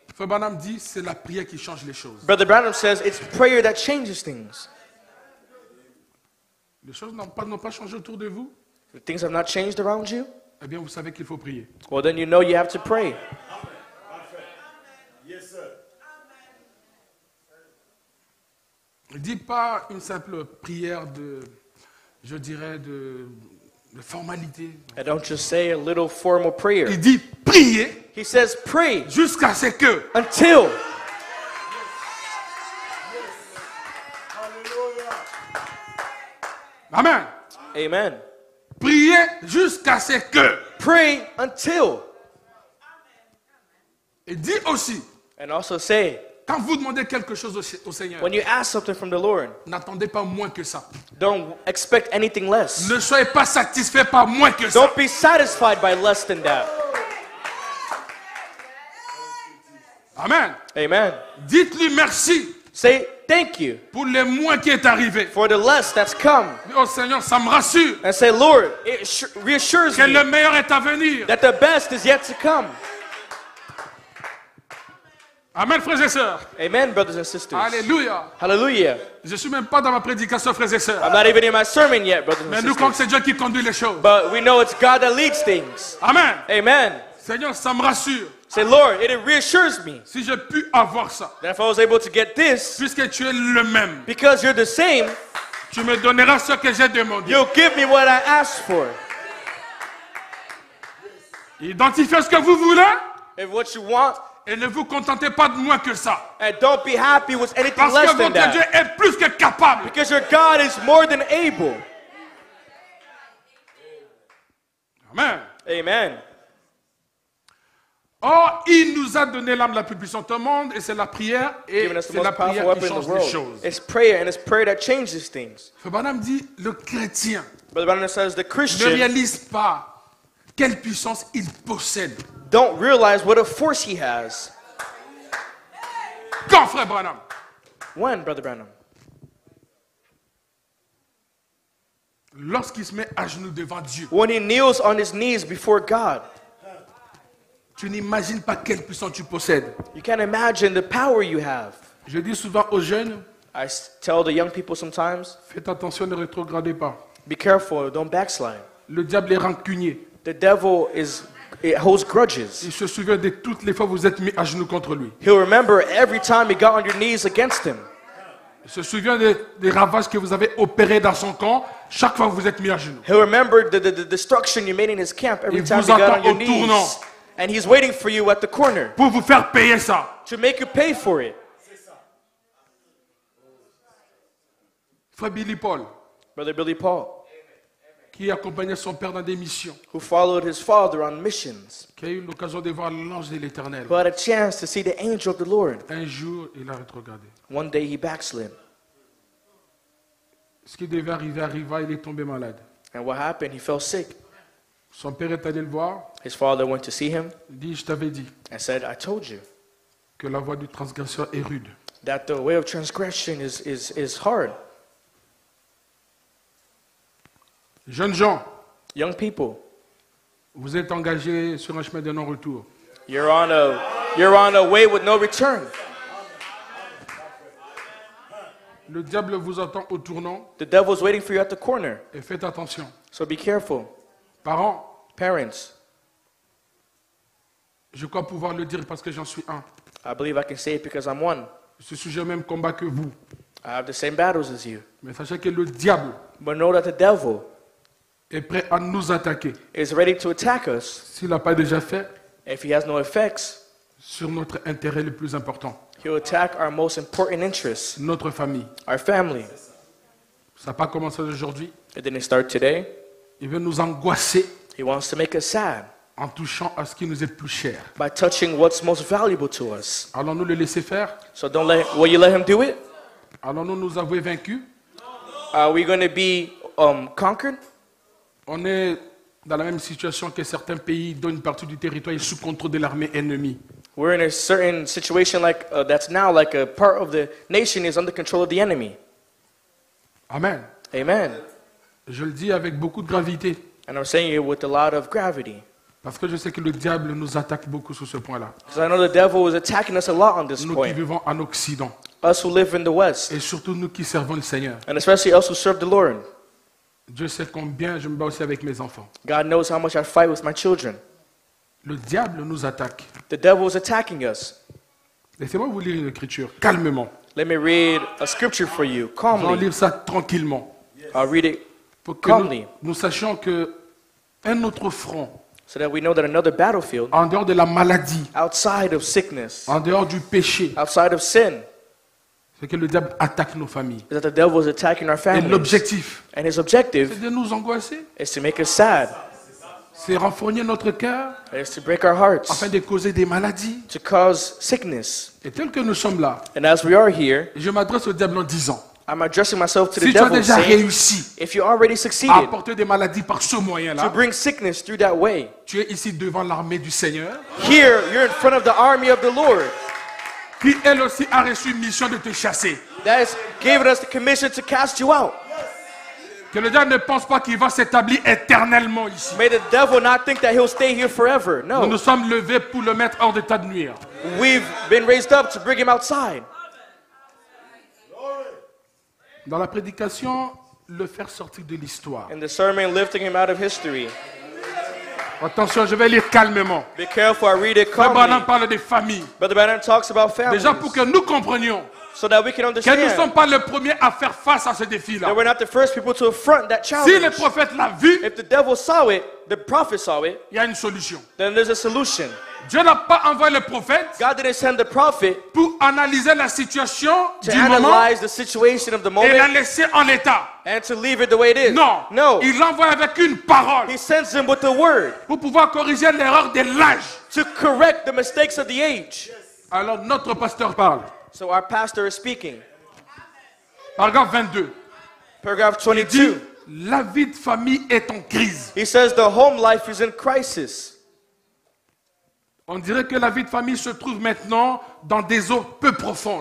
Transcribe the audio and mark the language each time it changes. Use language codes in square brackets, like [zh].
[fr] Frère Branham dit c'est la prière qui change les choses. [en] Brother Branham says it's prayer that changes things. [fr] Les choses n'ont pas changé autour de vous. [en] The things have not changed around you. [fr] Eh bien, vous savez qu'il faut prier. [en] Well, then you know you have to pray. [fr] Il ne dit pas une simple prière de, je dirais, de formalité. [en] I don't just say a little formal prayer. [fr] Il dit prier. [en] He says pray. [fr] Jusqu'à ce que. [en] Until. Yes. Amen. Amen. [fr] Priez jusqu'à ce que. [en] Pray until. [fr] Et dis aussi. [en] And also say. [fr] Quand vous demandez quelque chose au Seigneur. [en] When you ask something from the Lord. [fr] N'attendez pas moins que ça. [en] Don't expect anything less. [fr] Ne soyez pas satisfait par moins que ça. [en] Don't be satisfied by less than that. Amen. Amen. [fr] Dites-lui merci. [en] Say thank you. [fr] Pour le moins qui est arrivé. [en] For the less that's come. [fr] Oh Seigneur, ça me rassure. [en] And say Lord, it reassures [fr] que [en] me. [fr] Que le meilleur est à venir. [en] That the best is yet to come. [fr] Amen, frères et sœurs. [en] Amen, brothers and sisters. [fr] Alléluia. [en] Hallelujah. [fr] Je suis même pas dans ma prédication, frères et sœurs. [en] I'm not even in my sermon yet, brothers and sisters. [fr] Mais nous croyons que c'est Dieu qui conduit les choses. [en] But we know it's God that leads things. Amen. Amen. [fr] Seigneur, ça me rassure. [en] Say, Lord, it reassures me. [fr] Si j'ai pu avoir ça. [en] That if I was able to get this. [fr] Puisque tu es le même. [en] Because you're the same. [fr] Tu me donneras ce que j'ai demandé. [en] You'll give me what I asked for. [fr] Identifiez ce que vous voulez. [en] If what you want. [fr] Et ne vous contentez pas de moins que ça. [en] And don't be happy with anything [fr] parce [en] less than that. [fr] Parce que votre Dieu est plus que capable. [en] Because your God is more than able. Amen. Amen. [fr] Or, il nous a donné l'arme la plus puissante au monde, et c'est la prière, et c'est la prière qui change les choses. [en] It's prayer, and it's prayer that changes things. [fr] Frère Branham dit, le chrétien [en] says, the Christian [fr] ne réalise pas quelle puissance il possède. [en] Don't realize what a force he has. [fr] Quand, Frère Branham? [en] When, Brother Branham? [fr] Lorsqu'il se met à genoux devant Dieu. [en] When he kneels on his knees before God. [fr] Tu n'imagines pas quelle puissance tu possèdes. [en] You can't imagine the power you have. [fr] Je dis souvent aux jeunes. [en] I tell the young people sometimes. [fr] Faites attention, ne rétrogradez pas. [en] Be careful, don't backslide. [fr] Le diable est rancunier. [en] The devil is, it holds grudges. [fr] Il se souvient de toutes les fois vous êtes mis à genoux contre lui. [en] He'll remember every time he got on your knees against him. [fr] Il se souvient des ravages que vous avez opérés dans son camp chaque fois que vous êtes mis à genoux. [en] He'll remember the destruction you made in his camp every [fr] Il [en] time [fr] vous [en] he got on your knees. Tournant. And he's waiting for you at the corner. [fr] Pour vous faire payer ça. [en] To make you pay for it. [fr] Frère Billy Paul. [en] Brother Billy Paul. [fr] Qui accompagnait son père dans des missions. [en] Who followed his father on missions. [fr] Qui a eu l'occasion de voir l'ange de l'Éternel. [en] Who had a chance to see the angel of the Lord. [fr] Un jour, il a rétrogradé. [en] One day he backslid. [fr] Ce qui devait arriver arriva, il est tombé malade. [en] And what happened? He fell sick. [fr] Son père est allé le voir. [en] His father went to see him. [fr] Il dit, je t'avais dit. [en] And said, I told you. [fr] Que la voie du transgresseur est rude. [en] That the way of transgression is hard. [fr] Jeunes gens, [en] young people, [fr] vous êtes engagés sur un chemin de non-retour. [en] You're on a way with no return. [fr] Le diable vous attend au tournant. [en] The devil is waiting for you at the corner. [fr] Et faites attention. [en] So be careful. [fr] Parents. [en] Parents. [fr] Je crois pouvoir le dire parce que j'en suis un. [en] I believe I can say it because I'm one. [fr] Je suis le même combat que vous. [en] I have the same battles as you. [fr] Mais sachez que le diable. [en] But know that the devil. [fr] Est prêt à nous attaquer. [en] Is ready to attack us. [fr] S'il l'a pas déjà fait. [en] If he has no effects. [fr] Sur notre intérêt le plus important. [en] He'll attack our most important interests. [fr] Notre famille. [en] Our family. [fr] Ça n'a pas commencé aujourd'hui. [en] It didn't start today. [fr] Il veut nous angoisser. [en] He wants to make us sad. [fr] En touchant à ce qui nous est plus cher. [en] By touching what's most valuable to us. [fr] Allons-nous le laisser faire? [en] So don't let. Will you let him do it? [fr] Allons-nous nous avouer vaincus? [en] Are we going to be conquered? [fr] On est dans la même situation que certains pays dont une partie du territoire est sous contrôle de l'armée ennemie. [en] We're in a certain situation like that's now like a part of the nation is under control of the enemy. Amen. Amen. [fr] Je le dis avec beaucoup de gravité. [en] And I'm saying it with a lot of gravity. [fr] Parce que je sais que le diable nous attaque beaucoup sur ce point-là. [en] Because I know the devil is attacking us a lot on this [fr] nous [en] point. [fr] Nous qui vivons en Occident. [en] Us who live in the West. [fr] Et surtout nous qui servons le Seigneur. [en] And especially us who serve the Lord. [fr] Dieu sait combien je me bats aussi avec mes enfants. [en] God knows how much I fight with my children. [fr] Le diable nous attaque. [en] The devil is attacking us. [fr] Laissez-moi vous lire une écriture calmement. [en] Let me read a scripture for you calmly. [fr] On lit ça tranquillement. [en] I'll read it [fr] pour que [en] calmly. [fr] Nous sachions que un autre front. [en] So that we know that another battlefield. [fr] En dehors de la maladie. [en] Outside of sickness. [fr] En dehors du péché. [en] Outside of sin. [fr] C'est que le diable attaque nos familles. [en] Is that the devil is attacking our families. [fr] Et l'objectif. [en] And his objective. [fr] C'est de nous angoisser. [en] Is to make us sad. [fr] C'est renfrogner notre cœur. [en] Is to break our hearts. [fr] Afin de causer des maladies. [en] To cause sickness. [fr] Et tel que nous sommes là. [en] And as we are here. [fr] Je m'adresse au diable en disant. [en] I'm addressing myself to [fr] si [en] the devil. [fr] Si tu as déjà réussi. [en] If you already succeeded. [fr] À apporter des maladies par ce moyen-là. [en] To bring sickness through that way. [fr] Tu es ici devant l'armée du Seigneur. [en] Here, you're in front of the army of the Lord. [fr] Qui elle aussi a reçu une mission de te chasser. [en] That has given us the commission to cast you out. [fr] Que le diable ne pense pas qu'il va s'établir éternellement ici. [en] May the devil not think that he'll stay here forever. No. [fr] Nous nous sommes levés pour le mettre hors d'état de nuire. [en] We've been raised up to bring him outside. [fr] Dans la prédication, le faire sortir de l'histoire. [en] In the sermon, lifting him out of history. [fr] Attention, je vais lire calmement. [en] Be careful, I read it calmly. [fr] Brother Branham parle des familles. [en] Brother Branham talks about families. [fr] Déjà pour que nous comprenions. [en] So that we can understand. [fr] Que nous ne sommes pas les premiers à faire face à ce défi-là. [en] That we're not the first people to affront that challenge. [fr] Si le prophète l'a vu. [en] If the devil saw it, the prophet saw it. [fr] Il y a une solution. [en] Then there's a solution. [fr] Dieu n'a pas envoyé le prophète. [en] God didn't send the prophet. [fr] Pour analyser la situation [en] to [fr] du moment. [en] To analyze the situation of the moment. [fr] Et la laisser en état. [en] And to leave it the way it is. [fr] Non. [en] No. [fr] Il l'envoie avec une parole. [en] He sends him with a word. [fr] Pour pouvoir corriger l'erreur de l'âge. [en] To correct the mistakes of the age. Yes. [fr] Alors notre pasteur parle. [en] So our pastor is speaking. [fr] Paragraphe 22. [en] Paragraph 22. [fr] Il dit, la vie de famille est en crise. [en] He says the home life is in crisis. [fr] On dirait que la vie de famille se trouve maintenant dans des eaux peu profondes.